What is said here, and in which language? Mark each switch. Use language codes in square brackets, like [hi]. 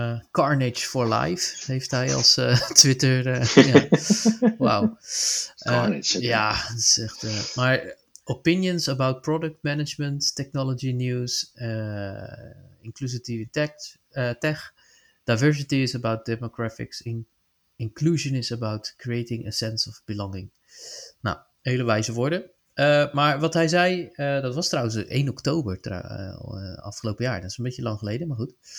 [nl] Carnage for Life heeft hij als Twitter. Wauw. Ja, dat is echt. [en] Maar opinions about product management, technology news, inclusive tech, diversity is about demographics, inclusion is about creating a sense of belonging. [nl] Nou, hele wijze woorden. Maar wat hij zei, dat was trouwens 1 oktober afgelopen jaar. Dat is een beetje lang geleden, maar goed.